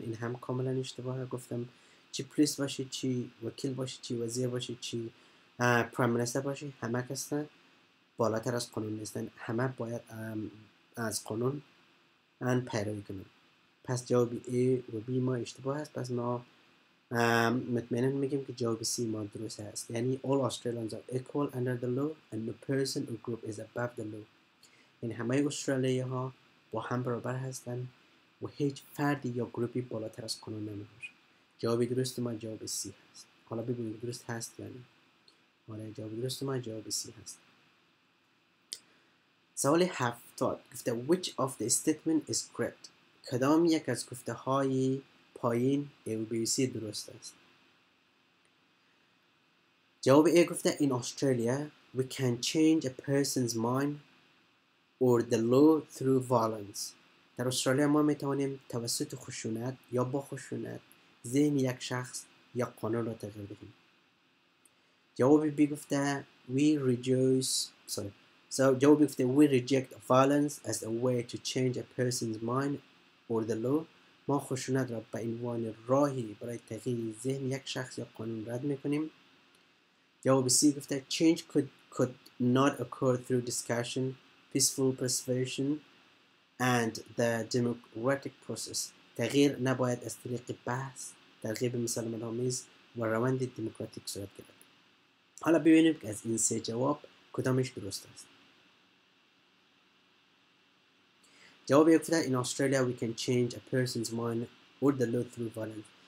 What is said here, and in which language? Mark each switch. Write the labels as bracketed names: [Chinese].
[Persian] این هم کاملا اشتباهه. گفتم چی پلیس باشی چی وکیل باشی چی وزیر باشی چی پرایم منیستر باشی همه کسن بالاتر از قانون نیستن. همه باید از قانون پیروی کنن پس جواب A و B ما اشتباه است، پس ما مطمئنن میگیم که جواب C ما درست است. یعنی [English] all Australians are equal under the law and no person or group is above the law. [Persian] یعنی همه استرالیا ها با هم برابر هستند و هیچ فردی یا گروپی بالاتر از قانون نمیباشد. جواب درست ما جواب C هست. حالا ببینید درست هست یا نه. آره جواب درست ما جواب C هست. سوال هفتاد گفته [English] which of the statement is correct؟ [Persian] کدام یک از گفته های پایین A و B و C درست است؟ جواب A گفته [English] in Australia we can change a person's mind or the law through violence. [Persian] در استرالیا ما میتوانیم توسط خشونت یا با خشونت ذهن یک شخص یا قانون را تغییر دهیم. جواب B گفته [English] we reject violence as a way to change a person's mind or the law. [Persian] ما خشونت را به عنوان راهی برای تغییر ذهن یک شخص یا قانون رد میکنیم. جواب C گفته [English] change could not occur through discussion, peaceful persuasion and the democratic process. [Persian] تغییر نباید از طریق بحث، تغییر مسالمت‌آمیز و روند دموکراتیک صورت گیرد. حالا ببینیم که از این سه جواب کدامش درست است. جواب یک گفته [English] in Australia we can change a person's mind or the law through violence.